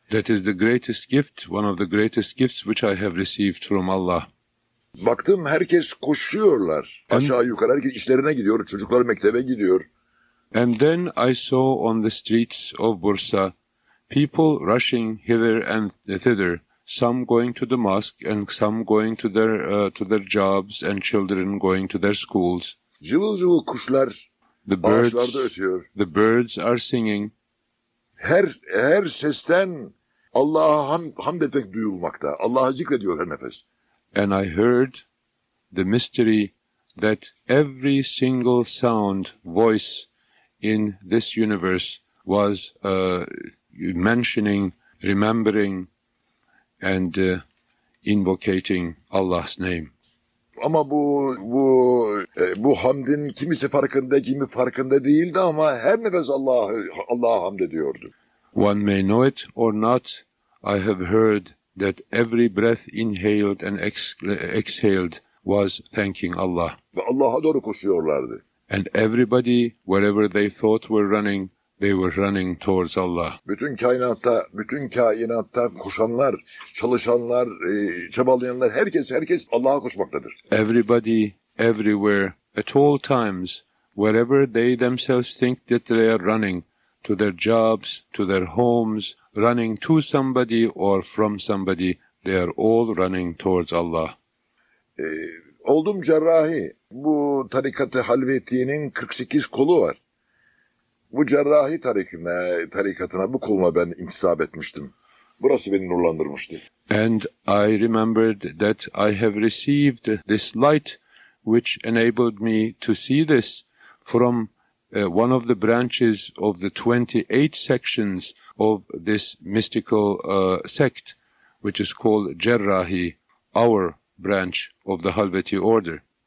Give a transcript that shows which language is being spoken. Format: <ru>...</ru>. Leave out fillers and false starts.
<en>That is the greatest gift, one of the greatest gifts which I have received from Allah.</en> <tr>Baktım herkes koşuyorlar. Aşağı yukarı herkes işlerine gidiyor, çocuklar mektebe gidiyor.</tr> <en>And then I saw on the streets of Bursa people rushing hither and thither, some going to the mosque and some going to their jobs, and children going to their schools.</en> <tr>Cıvıl cıvıl kuşlar ağaçlarda ötüyor.</tr> <en>The birds are singing.</en> <tr>Her sesten Allah'a hamd etmek duyulmakta. Allah'ı zikrediyor her nefes.</tr> <en>And I heard the mystery that every single sound, voice in this universe was mentioning, remembering and invocating Allah's name.</en> <tr>Ama bu hamdin kimisi farkında, kimi farkında değildi, ama her nefes Allah'a hamd ediyordu.</tr> <en>One may know it or not, I have heard that every breath inhaled and exhaled was thanking Allah.</en> <tr>Ve Allah'a doğru koşuyorlardı.</tr> <en>And everybody, wherever they thought were running, they were running towards Allah.</en> <tr>Bütün kainatta koşanlar, çalışanlar, çabalayanlar, herkes Allah'a koşmaktadır.</tr> <en>Everybody, everywhere, at all times, wherever they themselves think that they are running, to their jobs, to their homes, running to somebody or from somebody, they are all running towards Allah.</en> <tr>Oldum cerrahi. Bu tarikat-ı halvetiyenin 48 kolu var. Bu cerrahi tarikatına, bu koluna ben intisap etmiştim. Burası beni nurlandırmıştı.</tr> <en>And I remembered that I have received this light which enabled me to see this from one of the branches of the 28 sections of this mystical sect, which is called Cerrahi, our branch of the Halveti order.</en>